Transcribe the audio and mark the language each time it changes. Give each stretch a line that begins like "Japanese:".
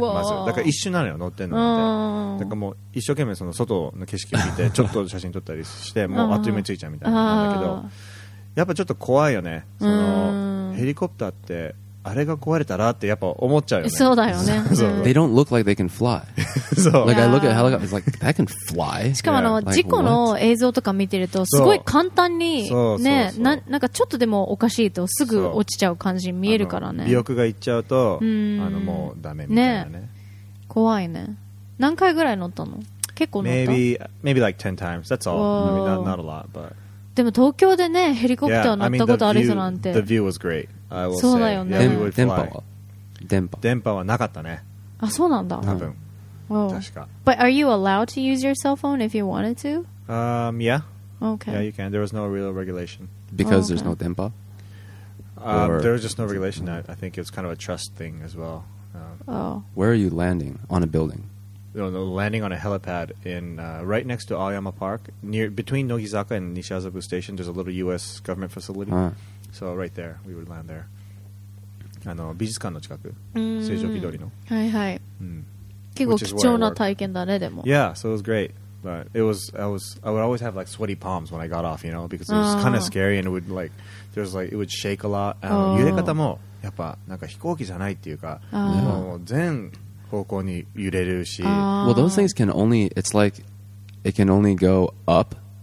Japanese: まず、だから一瞬なのよ乗ってんのって。だからもう一生懸命その外の景色見て、ちょっと写真撮ったりして、もうあっという間着いちゃうみたいなんだけど、やっぱちょっと怖いよね。そのヘリコプターってあれが壊れたらってやっぱ思っちゃうよね。そうだよね。
English: They don't look like they can fly. So, like I look at helicopters, like that can fly.
Japanese: しかもあの事故の映像とか見てるとすごい簡単にね、なんかちょっとでもおかしいとすぐ落ちちゃう感じ見えるからね。尾翼がいっちゃうと、あのもうダメみたいなね。怖いね。何回ぐらい乗ったの？結構乗った。
English: Maybe like 10 times. That's all. Not a lot, but.
Japanese: でも東京でねヘリコプター乗ったことある人なんて。
English: The view was great. I will
Japanese: そうだよね。
English: Yeah, 電波は
Japanese: 電波はなかったね。あそうなんだ。多分、確か。
English: But are you allowed to use your cell phone if you wanted to? Yeah. Okay. Yeah, you can. There was no real regulation. Because there's no 電波? There was just no regulation. I think it's kind of a trust thing as well. Where are you landing? On a building? No, landing on a helipad in right next to Aoyama Park, near between Nogizaka and Nishiazabu Station, there's a little U.S. government facility. So right there, we would land there.
Japanese: あの美術館の近く、水上機通りの。はいはい。結構貴重な体験だねでも。
English: Yeah, so it was great, but I would always have like sweaty palms when I got off, you know, because it was kind of scary and it would shake a lot.
Japanese: 揺れ方もやっぱなんか飛行機じゃないっていうか、全
English: Well, those things can only, it's like, it can only go up.